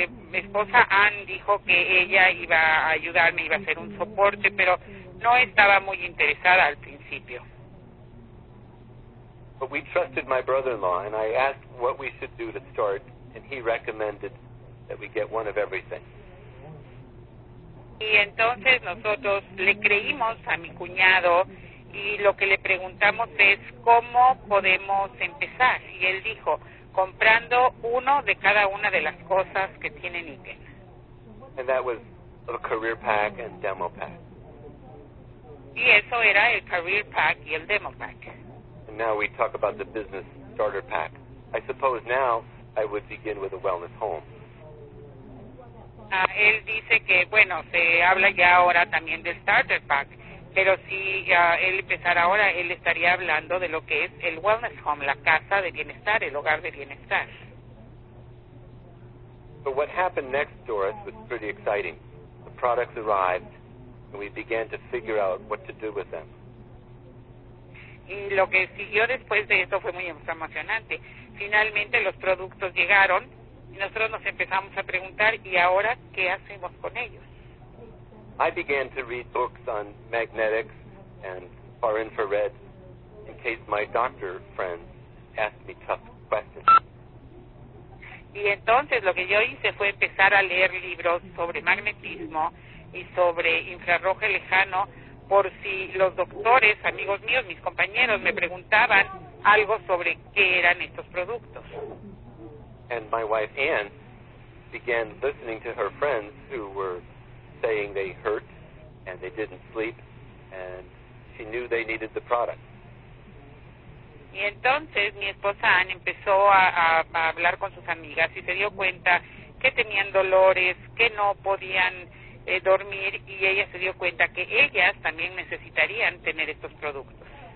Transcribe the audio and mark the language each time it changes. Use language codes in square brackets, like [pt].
[es] Mi esposa Anne dijo que ella iba a ayudarme, iba a ser un soporte, pero no estaba muy interesada al principio. [en] But we trusted my brother-in-law, and I asked what we should do to start, and he recommended that we get one of everything. [es] Y entonces nosotros le creímos a mi cuñado y lo que le preguntamos es cómo podemos empezar. Y él dijo, comprando uno de cada una de las cosas que tiene Niken. [en] And that was a career pack and demo pack. [es] Y eso era el career pack y el demo pack. [en] And now we talk about the business starter pack. I suppose now I would begin with a wellness home. [es] Él dice que, bueno, se habla ya ahora también del Starter Pack, pero si él empezara ahora, él estaría hablando de lo que es el Wellness Home, la casa de bienestar, el hogar de bienestar. [en] But what happened next, Doris, was pretty exciting. The products arrived, and we began to figure out what to do with them. [es] Y lo que siguió después de eso fue muy emocionante. Finalmente los productos llegaron, y nosotros nos empezamos a preguntar, ¿y ahora qué hacemos con ellos? [en] I began to read books on magnetics and far infrared in case my doctor friends asked me tough questions. [es] Y entonces lo que yo hice fue empezar a leer libros sobre magnetismo y sobre infrarrojo lejano por si los doctores, amigos míos, mis compañeros, me preguntaban algo sobre qué eran estos productos. [en] And my wife Anne began listening to her friends who were saying they hurt and they didn't sleep, and she knew they needed the product. [es] Y entonces mi esposa Ann empezó a hablar con sus amigas y se dio cuenta que tenían dolores, que no podían dormir, y ella se dio cuenta que ellas también necesitarían tener estos productos.